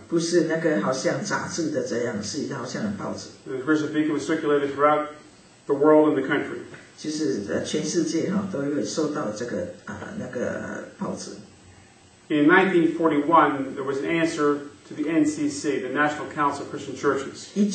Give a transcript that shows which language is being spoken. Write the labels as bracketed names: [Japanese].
[Chinese] 不是那个好像杂志的这样，是一个好像报纸。 [English] The Christian Beacon was circulated throughout the world and the country. [Chinese] 就是全世界都会收到这个报纸。 [English] In 1941, there was an answer to the NCC, the National Council of Christian Churches.